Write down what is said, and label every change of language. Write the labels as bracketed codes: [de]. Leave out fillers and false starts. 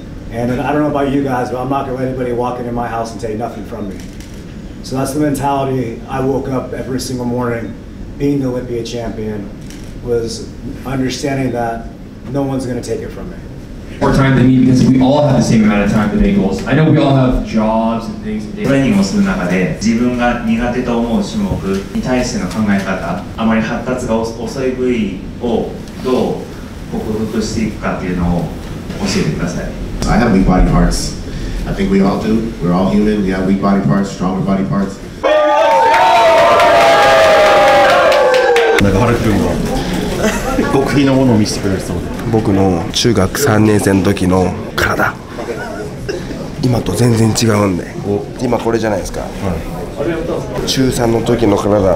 [en] And then, I don't know about you guys, but I'm not gonna let anybody walk into my house and take nothing from me. So that's the mentality I woke up every single morning, being the Olympia champion, was understanding that no one's gonna take it from me. More time than me, because we all have the same amount of time to make goals. I know we all have jobs and things. [ja] Training をする中で、自分が苦手と思う種目に対しての考え方、あまり発達が遅い部位をどう克服していくかっていうのを教えてください。 [en] I have weak body parts. I think we all do. We're all human. We have weak body parts, stronger body parts. [ja] なんか、ハルくんが極秘のものを見せてくれそうで。僕の中学3年生の時の体、今と全然違うんで。今これじゃないですか。中3の時の体。